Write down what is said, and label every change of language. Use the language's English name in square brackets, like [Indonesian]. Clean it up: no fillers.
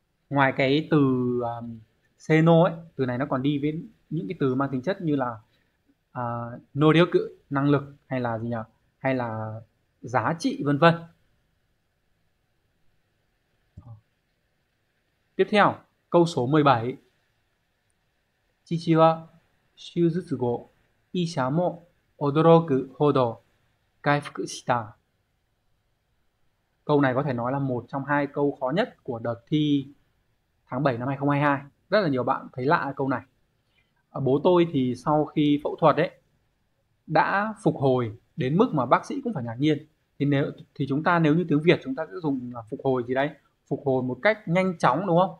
[Vietnamese] Ngoài cái từ seno ấy, từ này nó còn đi với những cái từ mang tính chất như là nô điếu cự, năng lực, hay là gì nhỉ, hay là giá trị, vân vân. Tiếp theo câu số 17. [Japanese] Chichi wa 手術後、医者も驚くほど回復した。 [Vietnamese] Câu này có thể nói là một trong hai câu khó nhất của đợt thi tháng 7 năm 2022. Rất là nhiều bạn thấy lạ câu này. Bố tôi thì sau khi phẫu thuật ấy đã phục hồi đến mức mà bác sĩ cũng phải ngạc nhiên. Thì chúng ta nếu như tiếng Việt chúng ta sẽ dùng là phục hồi gì đấy? Phục hồi một cách nhanh chóng đúng không?